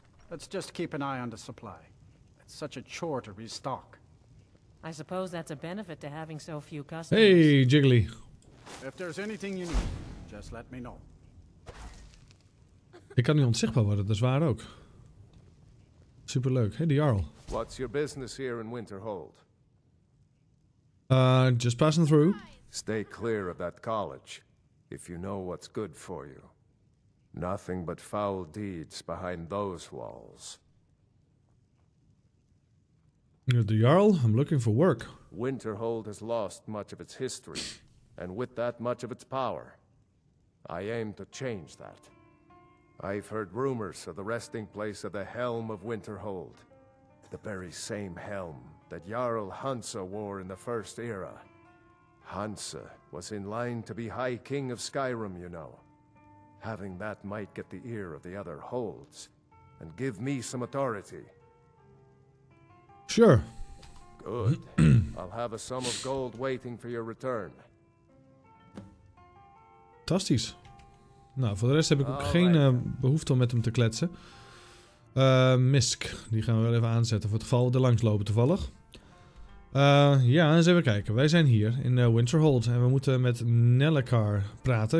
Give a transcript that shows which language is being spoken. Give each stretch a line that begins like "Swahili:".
English: Let's just keep an eye on the supply. It's such a chore to restock. I suppose that's a benefit to having so few customers. Hey, Jiggly. If there's anything you need, just let me know.
Dutch: Ik kan nu onzichtbaar worden, dat is waar ook. Superleuk. Hey, de Jarl.
English: What's your business here in Winterhold? Just passing through. Stay clear of that college. If you know what's good for you. Nothing but foul deeds behind those walls. You're the Jarl, I'm looking for work. Winterhold has lost much of its history, and with that much of its power. I aim to change that. I've heard rumors of the resting place of the Helm of Winterhold. The very same helm that Jarl Hansa wore in the First Era. Hansa was in line to be High King of Skyrim, you know. Having that might get the ear of the other holds, and give me some authority. Sure. Good. I'll have a sum of gold waiting for your return.
Dutch: Fantastisch. Nou, voor de rest heb ik ook geen behoefte om met hem te kletsen. Misk, die gaan we wel even aanzetten voor het geval we er langs lopen toevallig. Eens even kijken. Wij zijn hier in Winterhold en we moeten met Nellekar praten.